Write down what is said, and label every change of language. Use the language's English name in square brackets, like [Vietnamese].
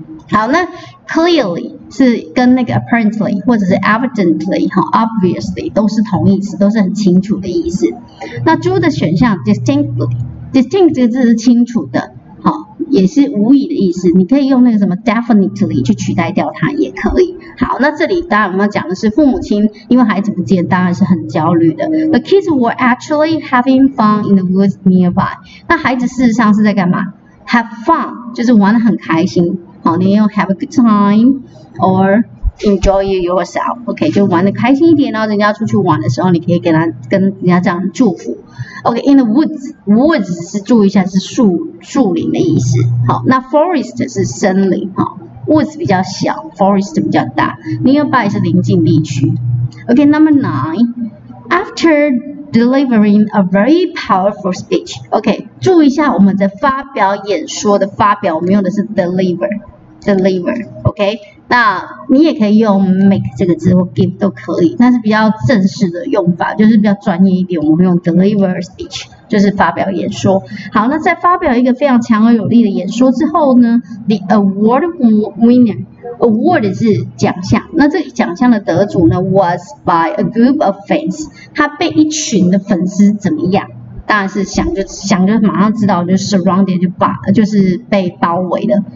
[Chinese] 好，那 Clearly 是跟那个 Apparently 或者是 Evidently 和 Obviously 都是同义词，都是很清楚的意思。那猪的选项 Distinct 这个字是清楚的。好，也是无疑的意思，你可以用那个什么 definitely 去取代掉它也可以。好，那这里当然我们要讲的是父母亲因为孩子不见当然是很焦虑的。 [English] The kids were actually having fun in the woods nearby. [Chinese] 那孩子事实上是在干嘛？Have fun 就是玩得很开心。好，你用 [English] have a good time or enjoy yourself, [Chinese] OK, 就玩得开心一点，然后人家出去玩的时候你可以跟人家这样祝福。 OK, [English] in the woods, [Chinese] woods 是注意一下是树林的意思。好，那 forest 是森林，好 ,woods 比较小 ,forest 比较大 ,nearby 是邻近地区。 [English] OK, number nine, after delivering a very powerful speech, OK, [Chinese] 注意一下我们的发表演说的发表，我们用的是 [English] deliver,OK,、okay? [Chinese] 那你也可以用 make 这个字或 give 都可以，但是比较正式的用法就是比较专业一点，我们用 deliver speech 就是发表演说。好，那在发表一个非常强而有力的演说之后呢， [English] the award winner award [Chinese] 是奖项，那这奖项的得主呢 [English] was by a group of fans， [Chinese] 他被一群的粉丝怎么样，当然是想就马上知道，就是 surrounded 就是被包围了。